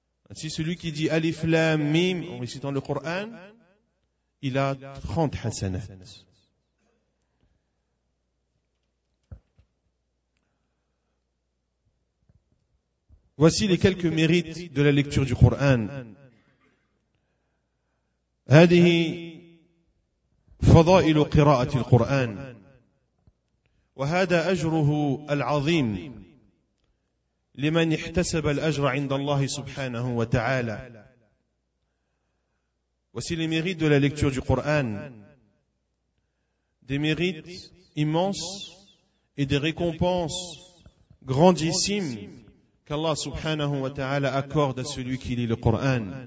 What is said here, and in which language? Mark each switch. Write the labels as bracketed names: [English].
[French] Ainsi, celui qui dit alif lam mim en récitant le Coran, il a 30 hasanat. Voici les quelques mérites de la lecture du Coran. [Arabic] هذه فضائل قراءة القرآن وهذا أجره العظيم لمن احتسب الأجر عند الله سبحانه وتعالى. [French] Voici les mérites de la lecture du Coran. Des mérites immenses et des récompenses grandissimes qu'Allah subhanahu wa ta'ala accorde à celui qui lit le Coran.